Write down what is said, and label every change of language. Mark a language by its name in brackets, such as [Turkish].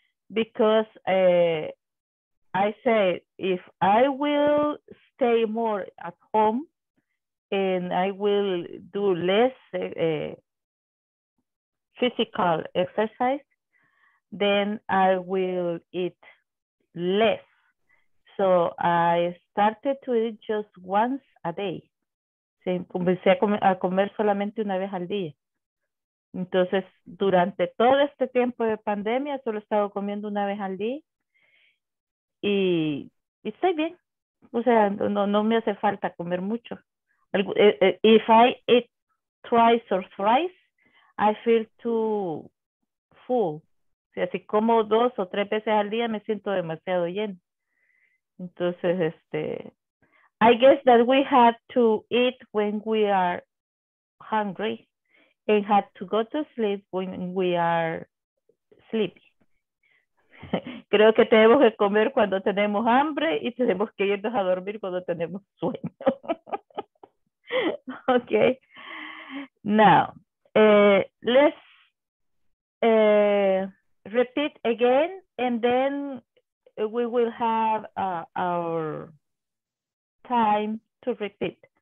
[English] Because I said, if I will stay more at home and I will do less physical exercise, then I will eat less. So I started to eat just once a day. [Spanish] Comencé a comer solamente una vez al día. Entonces, durante todo este tiempo de pandemia, solo he estado comiendo una vez al día. Y estoy bien. O sea, no me hace falta comer mucho. [English] If I eat twice or thrice, I feel too full. [Spanish] O sea, si como 2 o 3 veces al día, me siento demasiado lleno. [English] Entonces, I guess that we had to eat when we are hungry and had to go to sleep when we are sleepy. [Spanish] Creo que tenemos que comer cuando tenemos hambre y tenemos que irnos a dormir cuando tenemos sueño. [English] Okay. Now, let's repeat again, and then we will have our time to repeat.